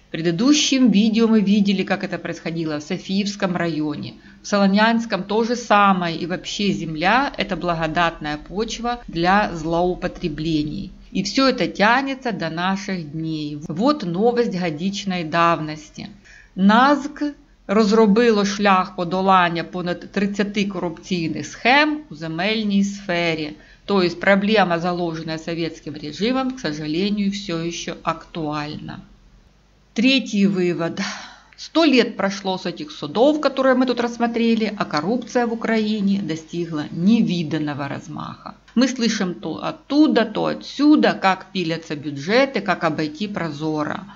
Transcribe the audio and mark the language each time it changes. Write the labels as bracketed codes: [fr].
[ru] В предыдущем видео мы видели, как это происходило в Софиевском районе. В Солонянском то же самое, и вообще земля – это благодатная почва для злоупотреблений. И все это тянется до наших дней. Вот новость годичной давности. [uk] НАЗК розробило шлях подолання понад 30 корупційних схем у земельній сфері. [ru] То есть проблема, заложенная советским режимом, к сожалению, все еще актуальна. Третий вывод. 100 лет прошло с этих судов, которые мы тут рассмотрели, а коррупция в Украине достигла невиданного размаха. Мы слышим то оттуда, то отсюда, как пилятся бюджеты, как обойти прозора.